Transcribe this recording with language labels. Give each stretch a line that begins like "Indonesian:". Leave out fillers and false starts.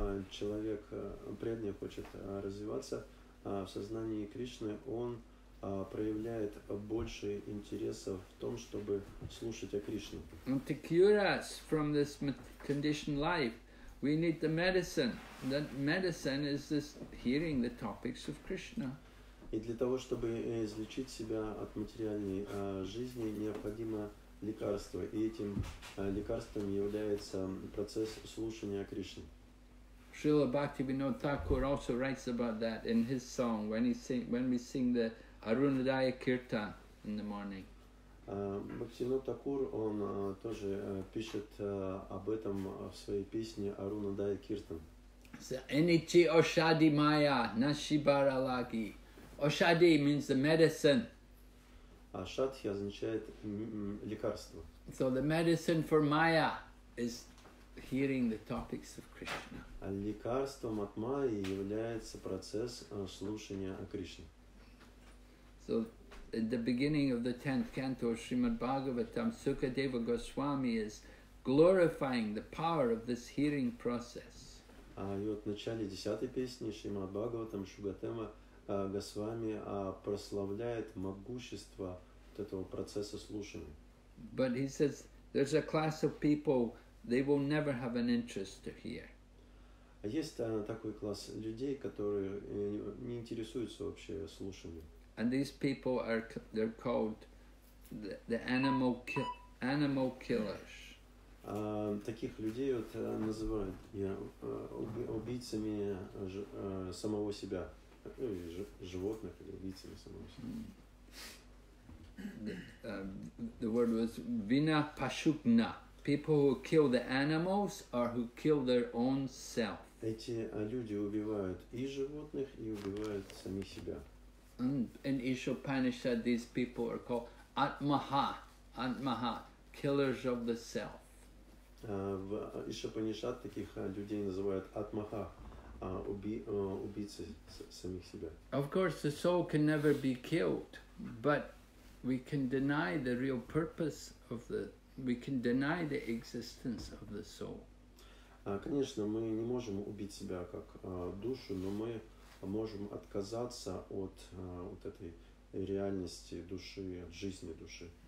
Russian: Человек преданный хочет развиваться в сознании Кришны, он проявляет больше интереса в том, чтобы слушать о Кришне.
English: And to cure us from this conditioned life, we need the medicine. That medicine is this hearing the topics of Krishna.
Russian: И для того, чтобы излечить себя от материальной жизни, необходимо лекарство, и этим лекарством является процесс слушания Кришны.
English: Srila Bhaktivinoda Thakur also writes about that in his song when we sing the Arunadaya Kirtan in the morning.
Russian: Bhaktivinoda Thakur он тоже пишет об этом в своей песне Arunadaya Kirtan.
Bangla: Anichi Oshadi Maya Nashibara Lagi.
English: Oshadi means the medicine.
Russian: Ашадхи означает лекарство.
English: So the medicine for Maya is hearing the topics of Krishna.
Russian: А лекарством от Майи является процесс слушания о Кришне.
English: So at the beginning of the 10th canto of Srimad Bhagavatam, Sukadeva Goswami is glorifying the power of this hearing process.
Russian: А и вот в начале 10-й песни Шримад Бхагаватам Шугатема Госвами прославляет могущество этого процесса слушания.
English: But he says there's a class of people, they will never have an interest to hear.
Russian: А есть такой класс людей, которые не интересуются вообще слушанием.
English: And these people are they're called the animal killers.
Russian: Таких людей вот называют убийцами самого себя, животных или убийцами самого себя.
English: The word was vina pashukna. People who kill the animals or who kill their own self.
Russian: Эти люди убивают и животных, и убивают самих себя.
English: And Isha Upanishad, these people are called Atmaha, killers of the self.
Russian: В Isha Upanishad таких людей называют Atmaha, убийцы самих себя.
English: Of course, the soul can never be killed, but we can deny the real purpose of the, we can deny the existence of the soul.
Russian: Конечно, мы не можем убить себя как душу, но мы можем отказаться от вот этой реальности души, от жизни души.